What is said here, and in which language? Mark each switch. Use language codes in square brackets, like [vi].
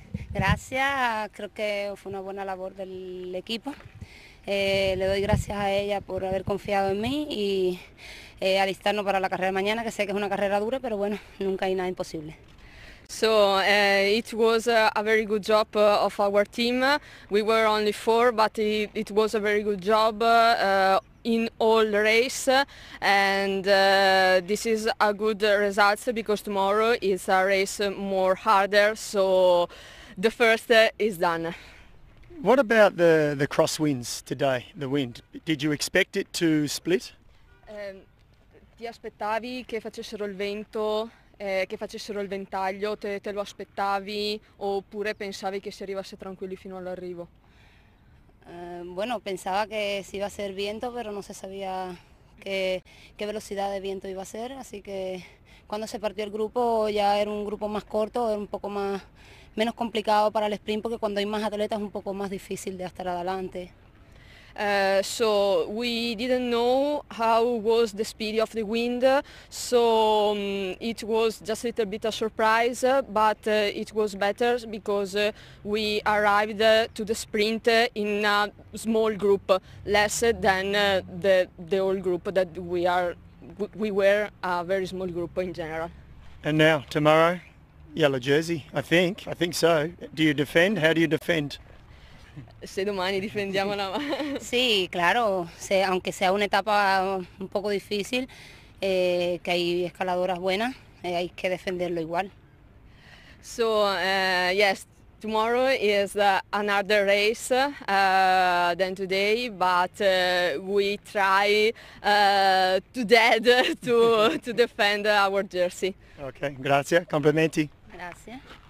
[es] Grazie, creo que fue una buena labor del equipo. Le doy gracias a ella por haber confiado en mí y alistarnos para la carrera de mañana, que sé que es una carrera dura, pero bueno, nunca hay nada imposible. [en] So it was a very good job of our team. We were only four, but it was a very good job in all the race, and this is a good result because tomorrow is a race more harder, so the first is done. What about the crosswinds today, the wind? Did you expect it to split? [it] Ti aspettavi che facessero il vento, che facessero il ventaglio, te lo aspettavi oppure pensavi che si arrivasse tranquilli fino all'arrivo? [es] Bueno, pensaba que si iba a ser viento, pero no se sabía qué velocidad de viento iba a ser, así que cuando se partió el grupo ya era un grupo más corto, era un poco más menos complicado para el sprint, porque cuando hay más atletas es un poco más difícil de estar adelante. [en] So we didn't know how was the speed of the wind, so it was just a little bit of a surprise, but it was better because we arrived to the sprint in a small group, less than the whole group that we were a very small group in general. And now tomorrow, yellow jersey, I think so. Do you defend? How do you defend? [it] Se domani difendiamo la mano. [es] Sí, claro, aunque sea una etapa un poco difícil, que hay escaladoras buenas, hay que defenderlo igual. [en] So, yes, tomorrow is another race than today, but we try to defend our jersey. [it] Okay, grazie, complimenti. Grazie.